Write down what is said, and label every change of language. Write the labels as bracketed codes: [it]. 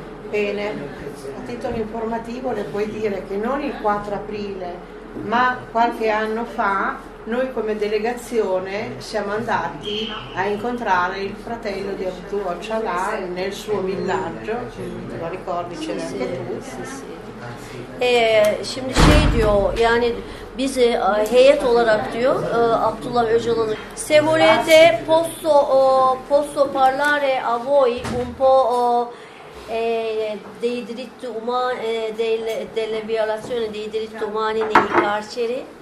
[it] Bene, a titolo informativo le puoi dire che non il 4 aprile ma qualche anno fa noi come delegazione siamo andati a incontrare il fratello di Abdullah Öcalan nel suo villaggio, te lo ricordi, c'era sì, anche sì, tu. Sì, sì. [tr] Şimdi şey diyor, yani bizi heyet olarak diyor Abdullah Öcalan'ın. [it] Se volete posso parlare a voi un po' dei diritti umani, delle violazioni dei diritti umani nei carceri?